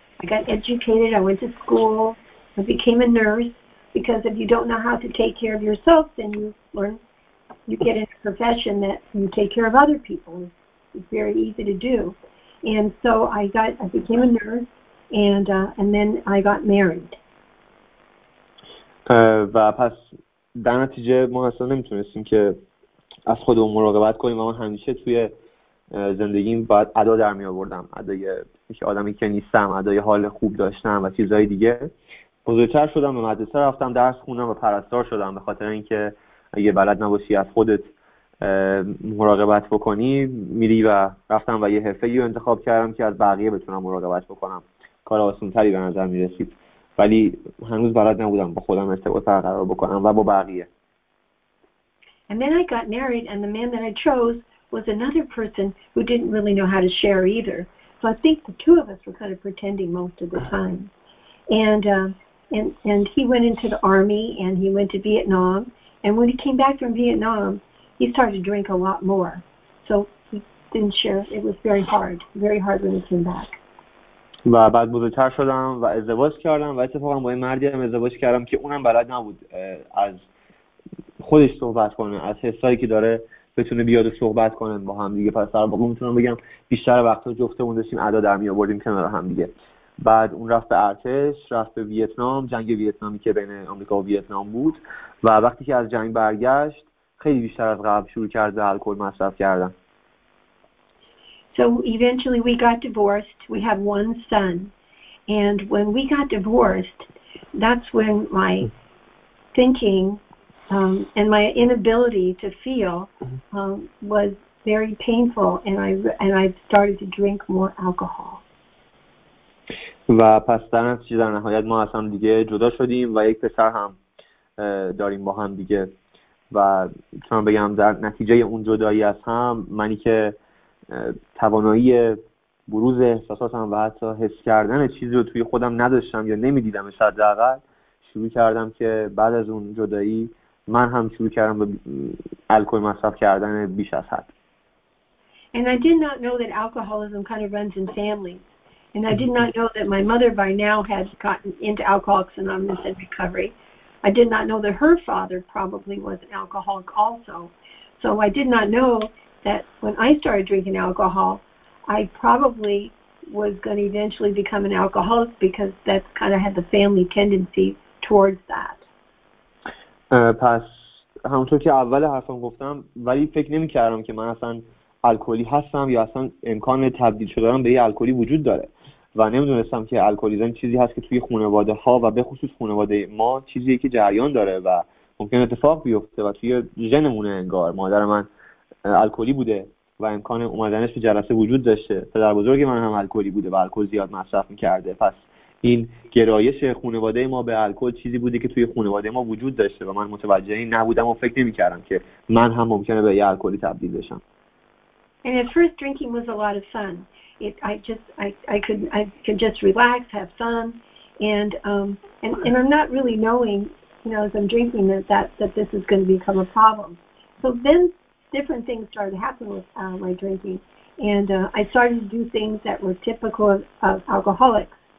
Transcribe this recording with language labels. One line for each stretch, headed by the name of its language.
English: I got educated, I went to school, I became a nurse, because if you don't know how to take care of yourself, then you learn, you get into a profession that you take care of other people. It's very easy to do. And so I became a nurse and then I got married.
Persian: و پس در نتیجه ما اصلا نمیتونستیم که از خودمون مراقبت کنیم و من همیشه توی زندگیم باید ادا در میآوردم، ادای یک آدمی که نیستم، ادای حال خوب داشتم و چیزهای دیگه. بزرگتر شدم و مدرسه رفتم، درس خوندم و پرستار شدم به خاطر اینکه اگه بلد نباشی از خودت مراقبت بکنی میری و رفتم و یه حرفه ای رو انتخاب کردم که از بقیه بتونم مراقبت بکنم، کار آسان‌تری به نظر میرسید، ولی هنوز بلد نبودم با خودم ارتباط برقرار بکنم و با بقیه.
English: And then I got married and the man that I chose was another person who didn't really know how to share either. So I think the two of us were kind of pretending most of the time. And he went into the army and he went to Vietnam, and when he came back from Vietnam, he started to drink a lot more. So he didn't share. It was very hard when he came back.
Persian: و بعد بزرگتر شدم و ازدواج کردم و اتفاقا با این مردی هم ازدواج کردم که اونم بلد نبود از خودش صحبت کنه، از حسایی که داره بتونه بیاد و صحبت کنه با هم دیگه. پس در واقع میتونم بگم بیشتر وقتا جفتمون داشتیم ادا در میآوردیم کنار هم دیگه بعد اون رفت به ارتش، رفت به ویتنام، جنگ ویتنامی که بین آمریکا و ویتنام بود، و وقتی که از جنگ برگشت خیلی بیشتر از قبل شروع کرد به الکل مصرف کردن.
English: So eventually we got divorced. We have one son. And when we got divorced, that's when my thinking and my inability to feel was very painful, and I started to drink more alcohol.
Persian: و پس در نتیجه در نهایت ما از هم دیگه جدا شدیم و یک پسر هم داریم با هم دیگه. و میتونم بگم در نتیجه اون جدایی از هم، منی که توانایی بروز احساساتم و حتی حس کردن چیزی رو توی خودم نداشتم یا نمیدیدم، شاید حداقل شروع کردم که بعد از اون جدایی من هم شروع کردم به الکل مصرف کردن بیش از حد.
English: And I did not know that alcoholism kind of runs in families. And I did not know that my mother by now had gotten into Alcoholics Anonymous and recovery. I did not know that her father probably was an alcoholic also. So I did not know that when I started drinking alcohol, I probably was going to eventually become an alcoholic because that's kind of had the family tendency towards that.
Persian: پس همونطور که اول حرفم گفتم، ولی فکر نمی کردم که من اصلا الکلی هستم یا اصلا امکان تبدیل شدنم به یه الکلی وجود داره، و نمیدونستم که الکلیزم چیزی هست که توی خانواده ها و به خصوص خانواده ما چیزیه که جریان داره و ممکن اتفاق بیفته و توی ژنمونه. انگار مادر من الکلی بوده و امکان اومدنش به جلسه وجود داشته، پدر بزرگ من هم الکلی بوده و الکل زیاد مصرف میکرده. پس این گرایش خانواده ما به الکل چیزی بوده که توی خانواده ما وجود داشته و من متوجه این نبودم و فکر نمیکردم که من هم ممکنه به یه الکلی تبدیل بشم.
English: And at first drinking was a lot of fun. I could just relax, have fun, and I'm not really knowing, you know, as I'm drinking that this is going to become a problem. So then different things started happening with my drinking, and I started to do things that were typical of alcoholics.